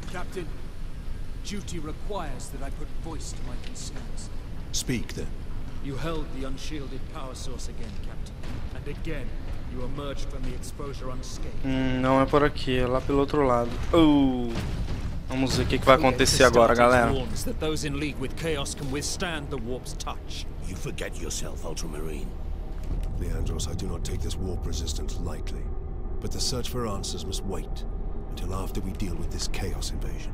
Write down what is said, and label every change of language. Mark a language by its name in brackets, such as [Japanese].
[English] Captain, duty requires that I put voice to my concerns. Speak then. You held the unshielded power source again, Captain. And again, you emerged from the exposure unscathed. [Portuguese] Não é por aqui, é lá pelo outro lado. Vamos ver o que vai acontecer agora, galera. [English] That those in league with chaos can withstand the warp's touch. You forget yourself, Ultramarine. Leandros, I do not take this warp resistance lightly, but the search for answers must wait. Until after we deal with this chaos invasion.